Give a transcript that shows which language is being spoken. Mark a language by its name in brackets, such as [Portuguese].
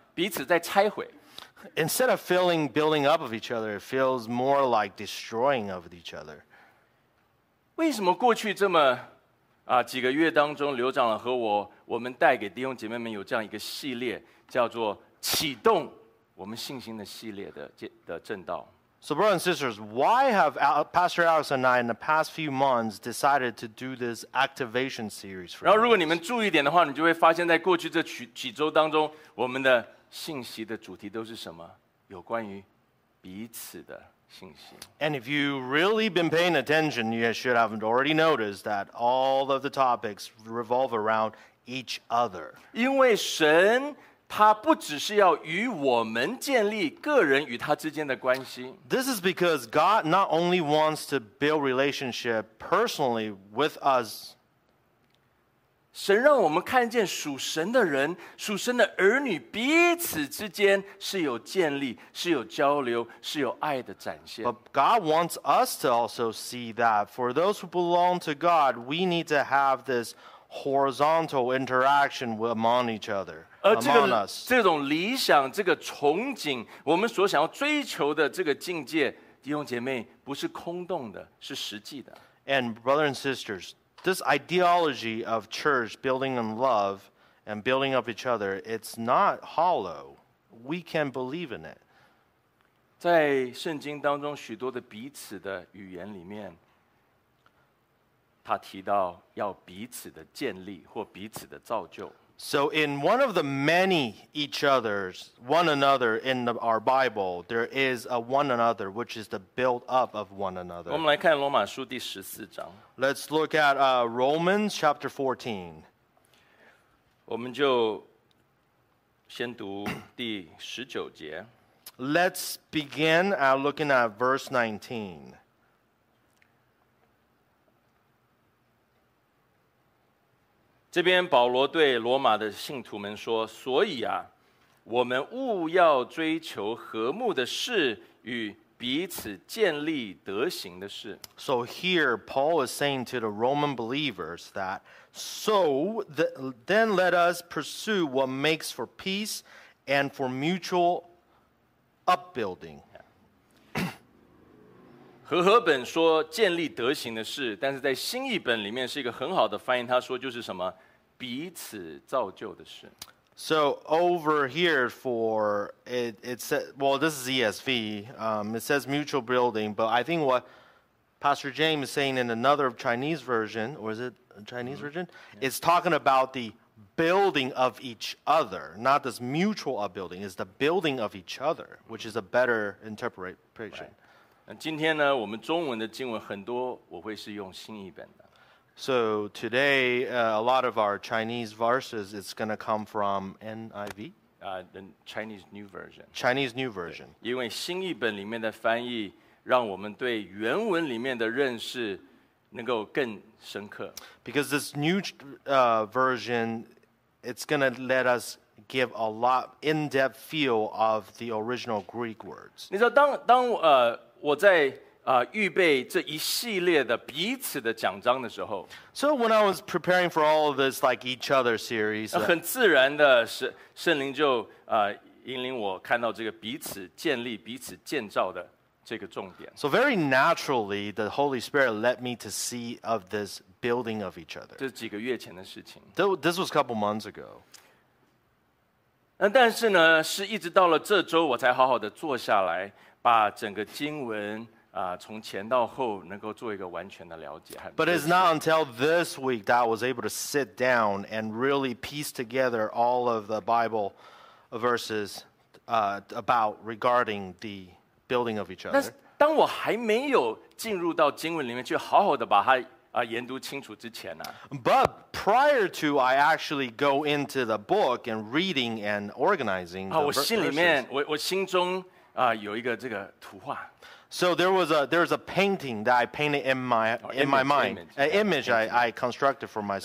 [Chinese] 彼此在拆毁。 [English] Instead of feeling building up of each other, it feels more like destroying of each other. [Chinese] 为什么过去这么几个月当中，刘长老和我们带给弟兄姐妹们有这样一个系列，叫做启动我们信心的系列的正道。 [English] So brothers and sisters, why have Pastor Alex and I in the past few months decided to do this activation series for? [Chinese] 然后如果你们注意一点的话，你就会发现在过去这几周当中，我们的信息的主题都是什么？有关于彼此的。 [English] And if you've really been paying attention, you should have already noticed that all of the topics revolve around each other. [Chinese] 因为神他不只是要与我们建立个人与他之间的关系。 [English] This is because God not only wants to build relationship personally with us. [Chinese] 神让我们看见属神的人，属神的儿女彼此之间是有建立，是有交流，是有爱的展现。 [English] But God wants us to also see that for those who belong to God, we need to have this horizontal interaction among each other. [Chinese] 而这个这种理想，这个憧憬，我们所想要追求的这个境界，弟兄姐妹，不是空洞的，是实际的。 [English] And brothers and sisters,This ideology of church building on love and building up each other, it's not hollow. We can believe in it. [Chinese] 在圣经当中许多的彼此的语言里面，他提到要彼此的建立或彼此的造就。 [English] So in one of the many each others, one another in the, our Bible, there is a one another, which is the build up of one another. [Chinese] 我们来看罗马书第十四章。 [English] Let's look at Romans chapter 14. [Chinese] 我们就先读第十九节。 [English] Let's begin at looking at verse 19. [Chinese] 这边保罗对罗马的信徒们说，所以啊，我们务要追求和睦的事与彼此建立德行的事。 [English] So here Paul is saying to the Roman believers that So then let us pursue what makes for peace and for mutual upbuilding. [Chinese] 和合本说建立德行的事，但是在新译本里面是一个很好的翻译，他说就是什么彼此造就的事。 [English] So over here for it said, well, this is ESV. It says mutual building, but I think what Pastor James is saying in another Chinese version, or is it a Chinese version? Yeah. It's talking about the building of each other, not this mutual upbuilding. It's the building of each other, which is a better interpretation. Right. [Chinese] 今天呢，我们中文的经文很多，我会是用新译本的。 [English] So today, a lot of our Chinese verses is going to come from NIV? The Chinese New Version. Chinese New Version. [Chinese] 因为新译本里面的翻译让我们对原文里面的认识能够更深刻。 [English] Because this new version, it's going to let us give a lot in-depth feel of the original Greek words. [Chinese] 你知道当我在预备这一系列的彼此的讲章的时候 [English] So when I was preparing for all of this like each other series [Chinese] 很自然的圣灵就引领我看到这个彼此建立彼此建造的这个重点 [English] So very naturally the Holy Spirit led me to see of this building of each other [Chinese] 这几个月前的事情 [English] This was a couple months ago [Chinese] 但是呢是一直到了这周我才好好的坐下来把整个经文从前到后能够做一个完全的了解。 [English] But it's not until this week that I was able to sit down and really piece together all of the Bible verses about regarding the building of each other. [Chinese] 但是当我还没有进入到经文里面去好好的把它研读清楚之前呢 [English] But prior to I actually go into the book and reading and organizing the [Chinese] 我心里面 我心中有一个这个图画。 [English] So there was a painting that I painted in my mind, an image I constructed for myself.